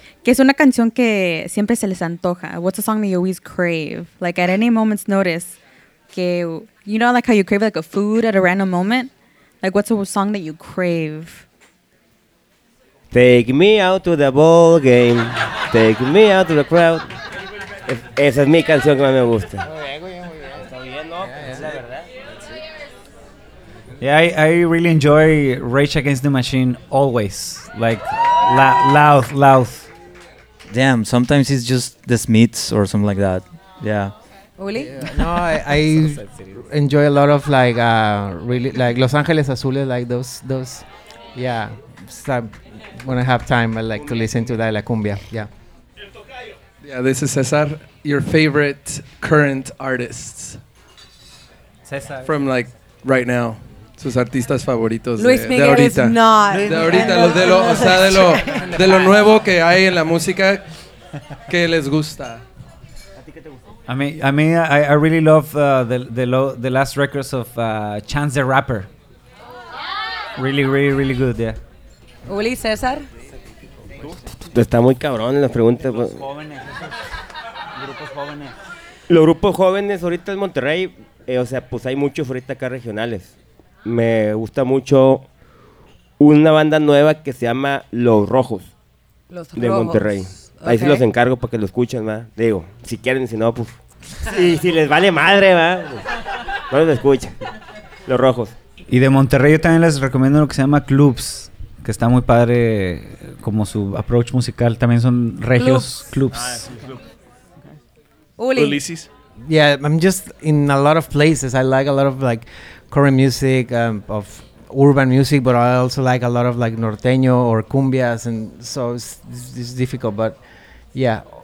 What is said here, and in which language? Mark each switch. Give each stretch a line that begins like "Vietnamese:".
Spanish: ¿Qué es una canción que siempre se les antoja?
English: What's a song that you always crave? Like at any moment's notice, que, you know, like how you crave like a food at a random moment? Like what's a song that you crave? Take me out to the ball game. Take me out to the crowd.
Spanish: Esa es mi canción que más me gusta.
English: Yeah, I really enjoy Rage Against the Machine always. Like loud. Damn, sometimes it's just the Smiths or something like that. Yeah. Uli? Yeah. No, I enjoy a lot of like really like Los Angeles Azules, like those. Yeah. So when I have time, I like to listen to that,
Spanish: la cumbia.
English: Yeah. Yeah, this is Cesar. Your favorite current artists? Cesar. From like right now.
Spanish: Sus artistas favoritos
English: Luis
Spanish: de ahorita.
English: Is not
Spanish: de ahorita, los de lo, o sea, de lo nuevo que hay en la música que les gusta.
English: I really love the last records of Chance the Rapper. Really, really, really good, yeah. Uli, César.
Spanish: Está muy cabrón en las preguntas. Grupos jóvenes. Grupos jóvenes. Los grupos jóvenes ahorita en Monterrey, o sea, pues hay muchos ahorita acá regionales. Me gusta mucho una banda nueva que se llama Los Rojos. Los de Rojos. Monterrey. Ahí okay. Se los encargo para que lo escuchen, ¿va? Digo, si quieren, si no, pues. Y si les vale madre, ¿va? No los escuchen. Los Rojos. Y de Monterrey yo también les recomiendo lo que se llama Clubs, que está muy padre como su approach musical. También son regios Clubs. Okay. Ulises.
English: Yeah, I'm just in a lot of places. I like a lot of like current music, of urban music, but I also like a lot of like norteño or cumbias, and so it's difficult, but yeah.